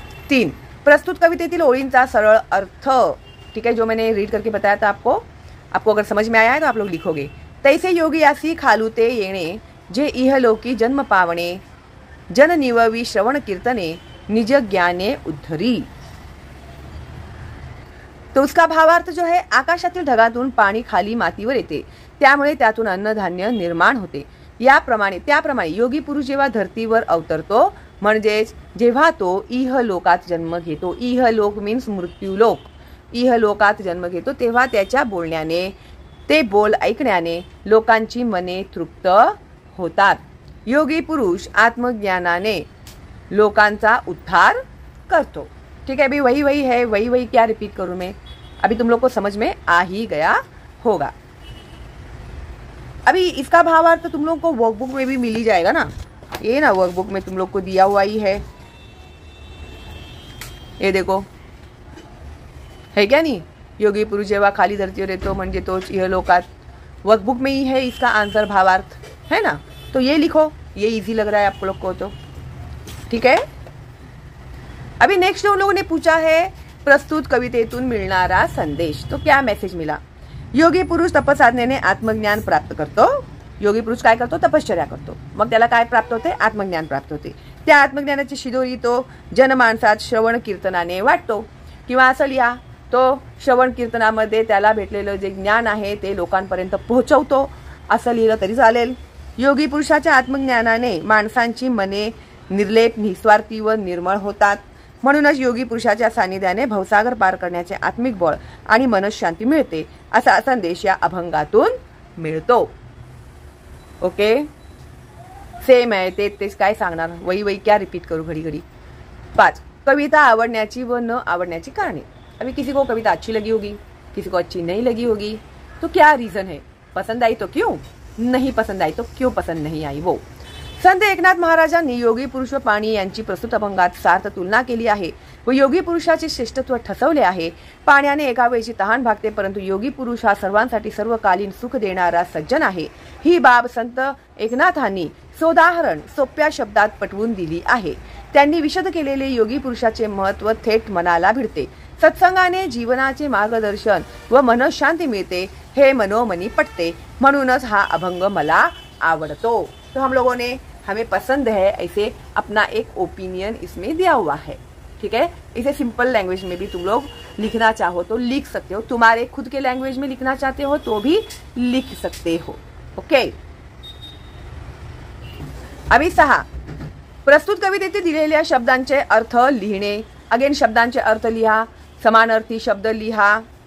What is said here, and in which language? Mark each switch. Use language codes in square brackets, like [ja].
[mr] 3, प्रस्तुत कवितेतील ओळींचा सरळ अर्थ, [hi] ठीक है, जो मैंने रीड करके बताया था आपको, आपको अगर समझ में आया है तो आप लोग लिखोगे, [mr] तैसे योगी आसी खालुते येणे जे इहलोकी जन्म पावणे जन निववी श्रवण कीर्तने निज ज्ञाने उद्धरी। [hi] तो उसका भावार्थ जो है, [mr] आकाशातील ढगातून पाणी खाली मातीवर येते, त्यामुळे त्यातून अन्नधान्य निर्माण होते, याप्रमाणे त्याप्रमाणे योगी पुरुष जेव्हा धरतीवर अवतरतो म्हणजेच जेव्हा तो इहलोकात जन्म घेतो, इहलोक मीन्स मृत्यूलोक, इहलोकात जन्म घेतो, तेव्हा त्याच्या बोलण्याने ते बोल ऐकण्याने लोकांची मने तृप्त होतात. योगी पुरुष आत्मज्ञानाने लोकांचा उद्धार करतो. [hi] ठीक है, अभी वही वही है, वही वही क्या रिपीट करूं मैं, अभी तुम लोग को समझ में आ ही गया होगा. अभी इसका भावार्थ तो तुम लोग को वर्कबुक में भी मिल ही जाएगा ना. ये ना वर्कबुक में तुम लोग को दिया हुआ ही है, ये देखो है क्या नहीं. [mr] योगी पुरुष जेवा खाली धरती रहे तो मंजे तो यह लोकात, [hi] वर्कबुक में ही है इसका आंसर भावार्थ, है ना. तो ये लिखो, ये इजी लग रहा है आप लोग को तो. ठीक है, अभी नेक्स्ट उन लोगों ने पूछा है [mr] प्रस्तुत कवितेतून मिळणारा संदेश. [hi] तो क्या मैसेज मिला. [mr] योगी पुरुष तपसाधनेने आत्मज्ञान प्राप्त करतो. योगी पुरुष काय करतो, तपश्चर्या करतो, मग त्याला काय प्राप्त होते, आत्मज्ञान प्राप्त होते. त्या आत्मज्ञानाची शिदोरी तो जनमानसात श्रवण कीर्तनाने वाटतो. किंवा असं लिहा, तो श्रवण कीर्तनामध्ये त्याला भेटलेलं जे ज्ञान आहे ते लोकांपर्यंत पोहोचवतो, असं लिहिलं तरी चालेल. योगी पुरुषाच्या आत्मज्ञानाने माणसांची मने निर्लेप, निस्वार्थी व निर्मळ होतात. म्हणूनच योगी पुरुषाच्या सानिध्याने भवसागर पार करण्याचे आत्मिक बळ आणि मनशांती मिळते, असा संदेश या अभंगातून मिळतो. ओके, सेम आहे ते, तेच काय सांगणार, [hi] वही वही क्या रिपीट करू घडी घडी. [mr] 5, कविता आवडण्याची व न आवडण्याची कारणे. [hi] अभी किसी को कविता अच्छी लगी होगी, किसी को अच्छी नहीं लगी होगी, तो क्या रीजन है, पसंद आई तो क्यों, नहीं पसंद आई तो क्यों पसंद नहीं आई. [mr] वो संत एकनाथ महाराजांनी योगी पुरुष व पाणी यांची प्रस्तुत अभंगात सार्थ तुलना केली आहे व योगी पुरुषाचे श्रेष्ठत्व ठसवले आहे. पाण्याने एकावेळची तहान भागते, परंतु योगी पुरुष हा सर्वांसाठी सर्वकालीन सुख देणारा सज्जन आहे. ही बाब संत एकनाथांनी सोदाहरण सोप्या शब्दात पटवून दिली आहे. त्यांनी विशद केलेले योगी पुरुषाचे महत्व थेट मनाला भिडते. सत्संगाने जीवनाचे मार्गदर्शन व मनशांती मिळते, हे मनोमनी पटते. म्हणूनच हा अभंग मला आवडतो. [hi] तो हम लोगों ने, हमें पसंद है, ऐसे अपना एक ओपिनियन इसमें दिया हुआ है. ठीक है, इसे सिंपल लैंग्वेज में भी तुम लोग लिखना चाहो तो लिख सकते हो, तुम्हारे खुद के लैंग्वेज में लिखना चाहते हो तो भी लिख सकते हो. [mr] ओके, अभी 6, प्रस्तुत कवितेतील दिलेल्या शब्दांचे अर्थ लिहिणे. अगेन शब्दांचे अर्थ लिहा, समान अर्थी शब्द लिहा.